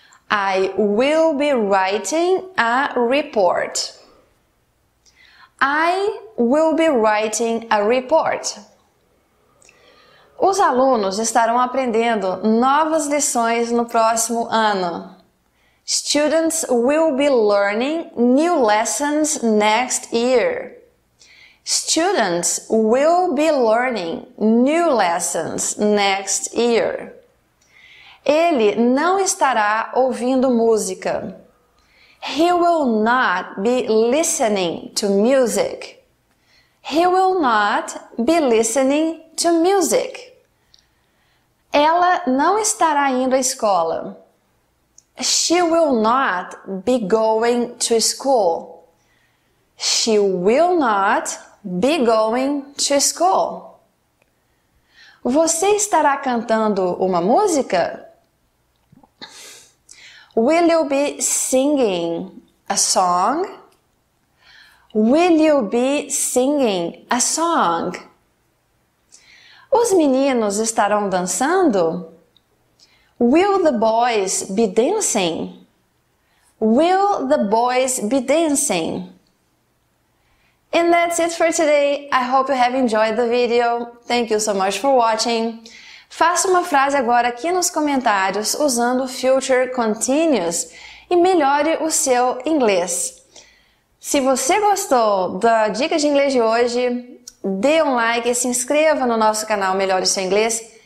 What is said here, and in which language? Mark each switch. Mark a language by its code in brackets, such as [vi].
[en] I will be writing a report. I will be writing a report. [pt] Os alunos estarão aprendendo novas lições no próximo ano. [en] Students will be learning new lessons next year. Students will be learning new lessons next year. [pt] Ele não estará ouvindo música. [en] He will not be listening to music. He will not be listening to music. [pt] Ela não estará indo à escola. [en] She will not be going to school. She will not be going to school. [pt] Você estará cantando uma música? [en] Will you be singing a song? Will you be singing a song? [pt] Os meninos estarão dançando? [en] Will the boys be dancing? Will the boys be dancing? And that's it for today. I hope you have enjoyed the video. Thank you so much for watching. [pt] Faça uma frase agora aqui nos comentários usando o Future Continuous e melhore o seu inglês. Se você gostou da dica de inglês de hoje, dê um like e se inscreva no nosso canal Melhore Seu Inglês.